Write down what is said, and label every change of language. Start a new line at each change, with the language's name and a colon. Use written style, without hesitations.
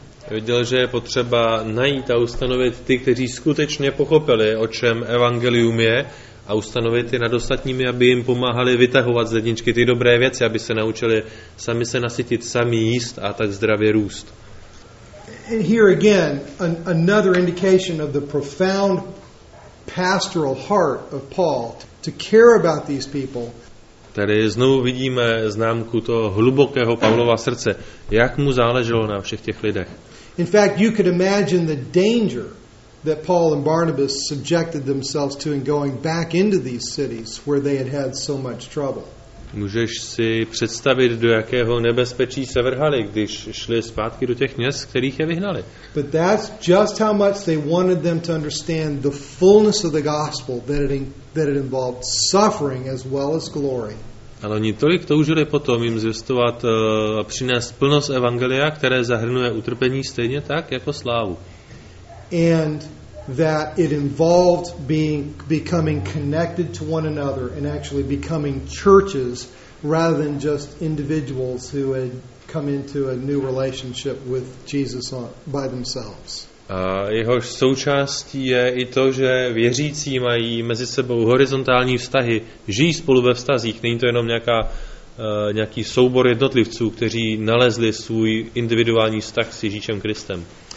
Czech: Věděl, že je potřeba najít a ustanovit ty, kteří skutečně pochopili, o čem evangelium je, a ustanovit je nad ostatními, aby jim pomáhali vytahovat z ledničky ty dobré věci, aby se naučili sami se nasytit, sami jíst a tak zdravě růst.
English: And here again, another indication of the profound pastoral heart of Paul to care about these people.
Czech: Tady znovu vidíme známku toho hlubokého Pavlova srdce, jak mu záleželo na všech těch lidech.
English: In fact, you could imagine the danger that Paul and Barnabas subjected themselves to in going back into these cities where they had had so much trouble.
Czech: Můžeš si představit, do jakého nebezpečí se vrhali, když šli zpátky do těch měst, kterých je vyhnali.
English: But that's just how much they wanted them to understand the fullness of the gospel, that it involved suffering as well as glory.
Czech: Ale oni tolik toužili potom jim zvěstovat a přinést plnost evangelia, které zahrnuje utrpení stejně tak jako slávu.
English: And that it involved becoming connected to one another and actually becoming churches rather than just individuals who had come into a new relationship with Jesus by themselves.
Czech: Jeho součástí je i to, že věřící mají mezi sebou horizontální vztahy, žijí spolu ve vztazích, není to jenom nějaký soubor jednotlivců, kteří nalezli svůj individuální vztah s Ježíšem Kristem.